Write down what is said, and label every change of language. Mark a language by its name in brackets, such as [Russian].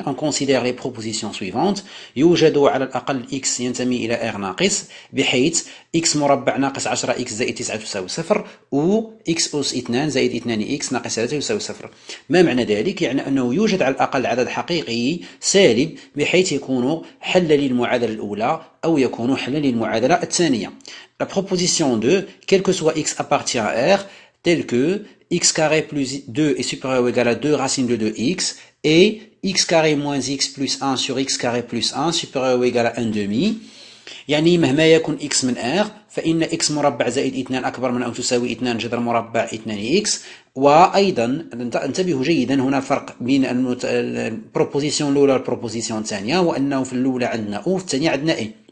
[French] أن كونسيدير لي بروبوزيسيون سويفونت، [Arabic] يوجد على الأقل إكس ينتمي إلى إر ناقص، حيث x مربع ناقص 10x زائد 9 تساوي 0، و x أس 2 زائد 2x ناقص 3 يساوي 0. ما معنى ذلك؟ يعني أنه يوجد على الأقل عدد حقيقي سالب، بحيث يكون حل للمعادلة الأولى أو يكون حل للمعادلة الثانية. [French] La proposition 2, quel que soit x appartient à R, tel que x carré plus 2 est supérieur ou égal à 2 racine de 2x, et x carré moins x plus 1 sur x carré plus 1 supérieur ou égal à 1 demi. [Arabic] يعني مهما يكون x من R، فإن x مربع زائد 2 أكبر من أو تساوي 2 جذر مربع 2x. وأيضا انتبهوا جيدا، هنا فرق بين البروبوزيسيون الأولى والبروبوزيسيون الثانية، وأنه في الأولى عندنا O في الثانية عندنا A.